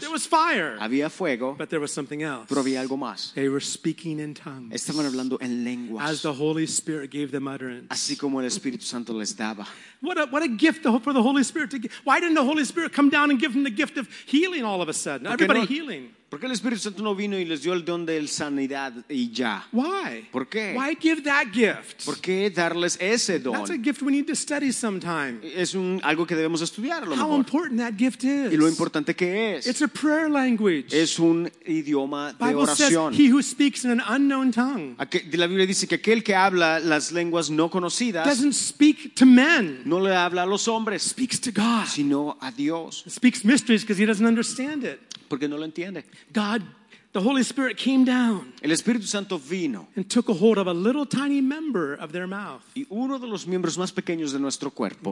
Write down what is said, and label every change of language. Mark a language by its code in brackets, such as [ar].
[en] there was fire, [es] había fuego, [en] but there was something else. [es] Pero había algo más. [en] They were speaking in tongues. [es] Estaban hablando en lenguas. [en] As the Holy Spirit gave them utterance. [es] Así como el Espíritu Santo les daba. [en] What a gift for the Holy Spirit to give. Why didn't the Holy Spirit come down and give them the gift of healing all of a sudden? Everybody healing. [es] ¿Por qué el Espíritu Santo no vino y les dio el don de la sanidad y ya? [en] Why? [es] ¿Por qué? [en] Why give that gift? [es] ¿Por qué darles ese don? [en] That's a gift we need to study sometime. [es] Es algo que debemos estudiar, a lo mejor. [en] How important that gift is. [es] Y lo importante que es. [en] It's a prayer language. [es] Es un idioma de oración. [en] Bible says he who speaks in an unknown tongue. [es] La Biblia dice que aquel que habla las lenguas no conocidas [en] doesn't speak to men. [es] No le habla a los hombres. [en] Speaks to God. [es] Sino a Dios. [en] It speaks mysteries because he doesn't understand it. [es] Porque no lo entiende. [en] God, the Holy Spirit came down. [es] El Espíritu Santo vino. [en] And took a hold of a little tiny member of their mouth. [es] Y uno de los miembros más pequeños de nuestro cuerpo.